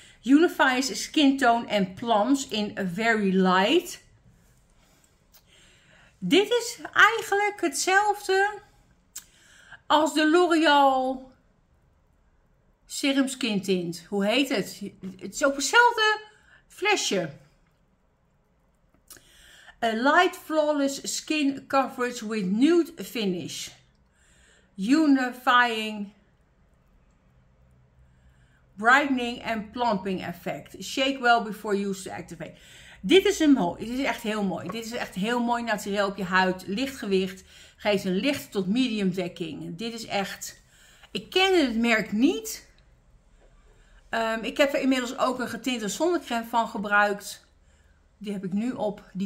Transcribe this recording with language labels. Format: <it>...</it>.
<en>Unifies skin tone and plumps in Very Light.</en> <nl>Dit is eigenlijk hetzelfde als de L'Oreal... Serum Skin Tint. Hoe heet het? Het is op hetzelfde flesje.</nl> <en>A light flawless skin coverage with nude finish. Unifying. Brightening and plumping effect. Shake well before use to activate.</en> <nl>Dit is een mooi. Dit is echt heel mooi. Dit is echt heel mooi natuurlijk op je huid. Licht gewicht. Geeft een licht tot medium dekking. Dit is echt. Ik ken het merk niet. Ik heb er inmiddels ook een getinte zonnecreme van gebruikt. Die heb ik nu op.</nl>